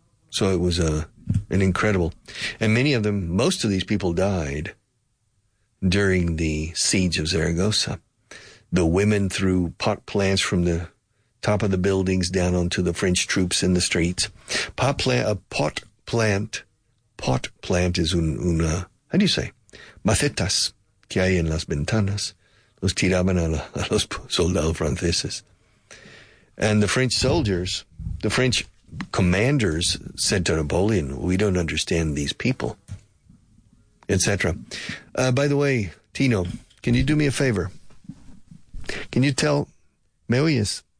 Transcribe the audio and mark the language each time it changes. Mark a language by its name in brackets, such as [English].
[English] So it was an incredible. And many of them, most of these people died during the siege of Zaragoza. The women threw pot plants from the top of the buildings down onto the French troops in the streets. A pot plant is una, how do you say? [Spanish] Macetas que hay en las ventanas, los tiraban a los soldados franceses. [English] And the French soldiers, the French commanders said to Napoleon, we don't understand these people, etc. By the way, Tino, can you do me a favor? Can you tell, me oyes?